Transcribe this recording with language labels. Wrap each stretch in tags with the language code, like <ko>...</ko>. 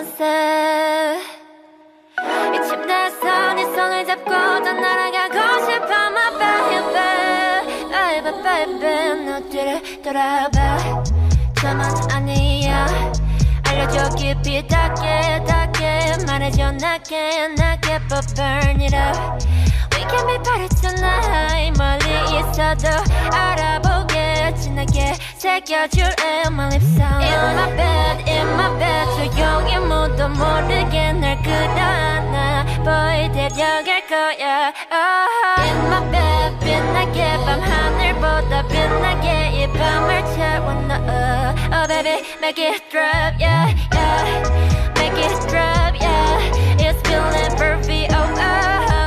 <ko>concept. 이 침대에서 네 손을 잡고 더 날아가고 싶어</ko> <en>my baby, baby, baby, baby.</en> <ko>너 뒤를 돌아봐. 저만 아니야. 알려줘 깊이 닿게 닿게 말해줘 낮게 낮게</ko> <en>but burn it up. We can be better tonight.</en> <ko>멀리 있어도 알아보게 진하게 새겨줄게</ko> <en>my lips on. In my bed</en> <ko>조용히 모두 모르게 날 끌어안아 boy 데려갈 거야 oh.</ko> <en>In my bed</en> <ko>빛나게 밤 하늘보다 빛나게 이 밤을 채워 너</ko> <en>oh baby make it drop yeah yeah make it drop yeah it's feeling perfect oh, oh.</en>